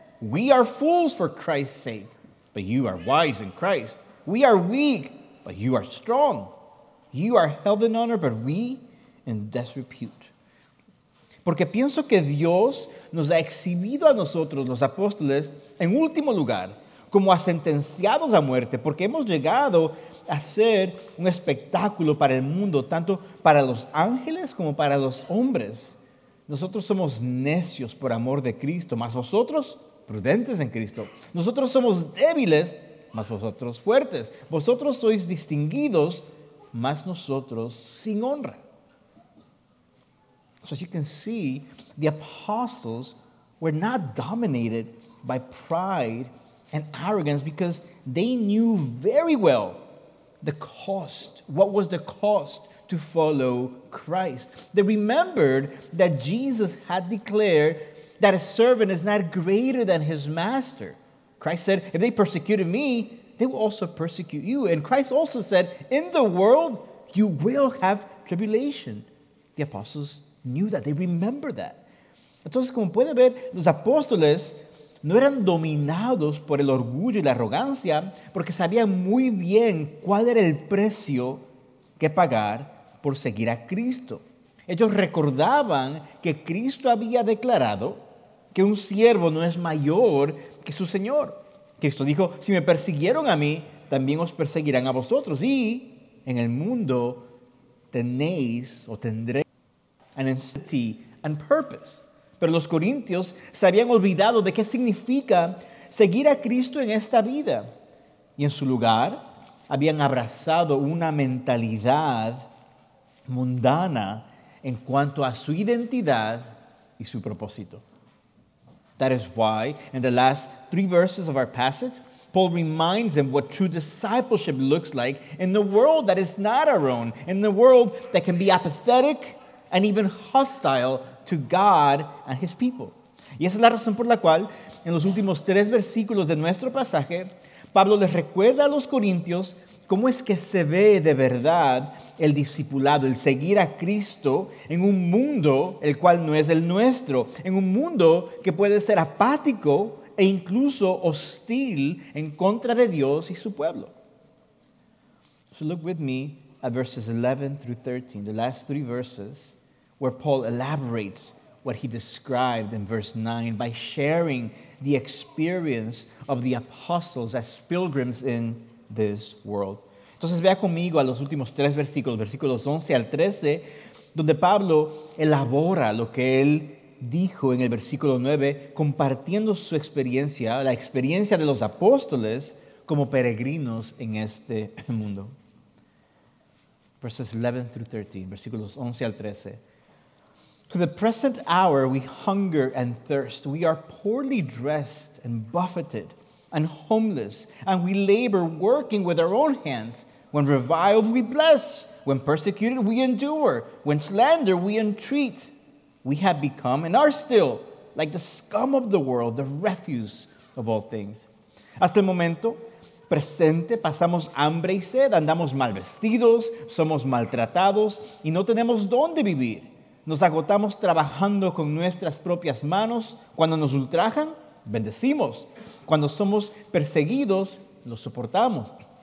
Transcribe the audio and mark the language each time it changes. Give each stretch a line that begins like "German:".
English: We are fools for Christ's sake, but you are wise in Christ. We are weak, but you are strong. You are held in honor, but we in disrepute.
Spanish: Porque pienso que Dios nos ha exhibido a nosotros, los apóstoles, en último lugar, como a sentenciados a muerte, porque hemos llegado a ser un espectáculo para el mundo, tanto para los ángeles como para los hombres. Nosotros somos necios por amor de Cristo, mas vosotros prudentes en Cristo. Nosotros somos débiles, mas vosotros fuertes. Vosotros sois distinguidos, mas nosotros sin honra.
English: So as you can see, the apostles were not dominated by pride and arrogance because they knew very well the cost. What was the cost to follow Christ? They remembered that Jesus had declared that a servant is not greater than his master. Christ said, if they persecuted me, they will also persecute you. And Christ also said, in the world, you will have tribulation. The apostles knew that. They remember that.
Spanish: Entonces, como puede ver, los apóstoles no eran dominados por el orgullo y la arrogancia porque sabían muy bien cuál era el precio que pagar por seguir a Cristo. Ellos recordaban que Cristo había declarado que un siervo no es mayor que su Señor. Cristo dijo, si me persiguieron a mí, también os perseguirán a vosotros. Y en el mundo tenéis o tendréis
English: an entity and purpose.
Spanish: Pero los corintios se habían olvidado de qué significa seguir a Cristo en esta vida. Y en su lugar, habían abrazado una mentalidad mundana en cuanto a su identidad y su propósito.
English: That is why, in the last three verses of our passage, Paul reminds them what true discipleship looks like in the world that is not our own, in the world that can be apathetic and even hostile to God and his people.
Spanish: Y esa es la razón por la cual, en los últimos tres versículos de nuestro pasaje, Pablo les recuerda a los corintios cómo es que se ve de verdad el discipulado, el seguir a Cristo en un mundo el cual no es el nuestro, en un mundo que puede ser apático e incluso hostil en contra de Dios y su pueblo.
English: So look with me at verses 11 through 13, the last three verses where Paul elaborates what he described in verse 9 by sharing the experience of the apostles as pilgrims in this world.
Spanish: Entonces vea conmigo a los últimos tres versículos, versículos 11 al 13, donde Pablo elabora lo que él dijo en el versículo 9, compartiendo su experiencia, la experiencia de los apóstoles como peregrinos en este mundo.
English: Verses 11 through 13,
Spanish: versículos 11 al 13.
English: To the present hour we hunger and thirst. We are poorly dressed and buffeted and homeless, and we labor working with our own hands. When reviled, we bless. When persecuted, we endure. When slandered, we entreat. We have become and are still like the scum of the world, the refuse of all things.
Spanish: Hasta el momento presente, pasamos hambre y sed, andamos mal vestidos, somos maltratados y no tenemos dónde vivir. Nos agotamos trabajando con nuestras propias manos. Cuando nos ultrajan, bendecimos. Cuando somos perseguidos, lo soportamos.